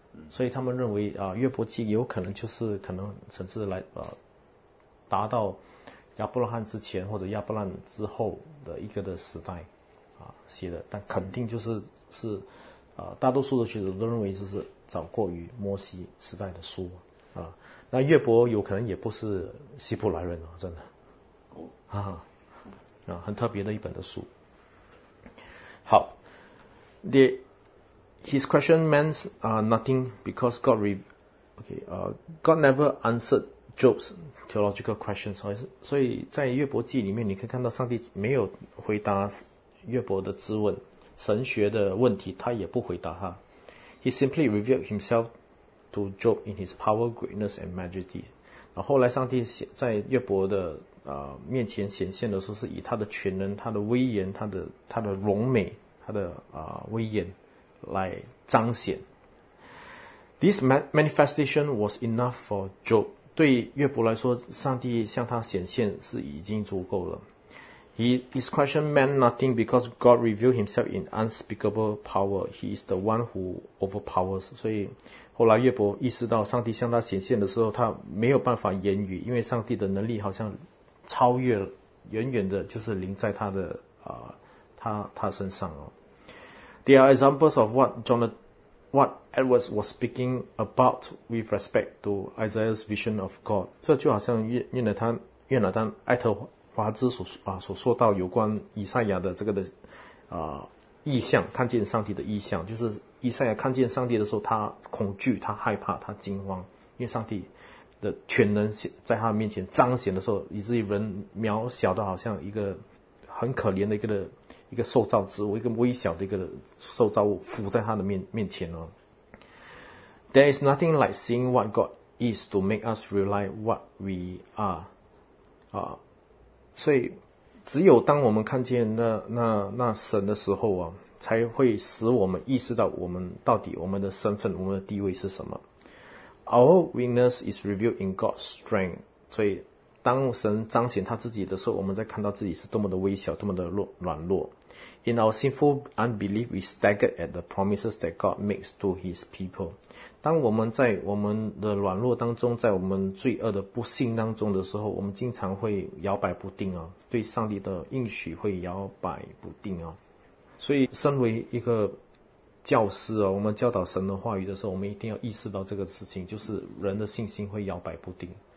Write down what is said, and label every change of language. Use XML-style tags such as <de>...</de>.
<zh>所以他们认为约伯记有可能就是可能甚至来达到亚伯拉罕之前或者亚伯拉罕之后的一个的时代写的，但肯定就是大多数的学者都认为就是早过于摩西时代的书那约伯有可能也不是希伯来人真的很特别的一本的书。</zh> <en>好 ，the His question meant nothing because God never answered Job's theological questions.</en> <zh>所以在约伯记里面，你可以看到上帝没有回答约伯的质问，神学的问题他也不回答他。</zh> <en>He simply revealed himself to Job in his power, greatness, and majesty.</en> <zh>后来上帝在约伯的面前显现的时候，是以他的全能、他的威严、他的荣美、他的威严。来彰显</zh> <en>This manifestation was enough for Job.</en> <zh>对约伯来说，上帝向他显现是已经足够了。</zh> <en>His question meant nothing because God revealed himself in unspeakable power. He is the one who overpowers.</en> <zh>所以后来约伯意识到上帝向他显现的时候，他没有办法言语，因为上帝的能力好像超越远远的，就是临在他的他身上哦。</zh> <en>There are examples of what Edwards was speaking about with respect to Isaiah's vision of God.</en> <zh>这就好像约拿丹艾特华兹所说到有关以赛亚的这个的异象，看见上帝的异象，就是以赛亚看见上帝的时候，他恐惧，他害怕，他惊慌，因为上帝的全能在他面前彰显的时候，以至于人渺小的好像一个很可怜的一个受造之物，一个微小的一个受造物浮在他的面前哦。</zh> <en>There is nothing like seeing what God is to make us realize what we are.</en> <zh>所以只有当我们看见那神的时候才会使我们意识到我们到底我们的身份、我们的地位是什么。</zh> <en>Our weakness is revealed in God's strength.</en> <zh>所以当神彰显他自己的时候，我们在看到自己是多么的微小、多么的软弱。</zh> <en>In our sinful unbelief, we stagger at the promises that God makes to His people.</en> <zh>当我们在我们的软弱当中，在我们罪恶的不幸当中的时候，我们经常会摇摆不定对上帝的应许会摇摆不定所以，身为一个教师我们教导神的话语的时候，我们一定要意识到这个事情，就是人的信心会摇摆不定。</zh>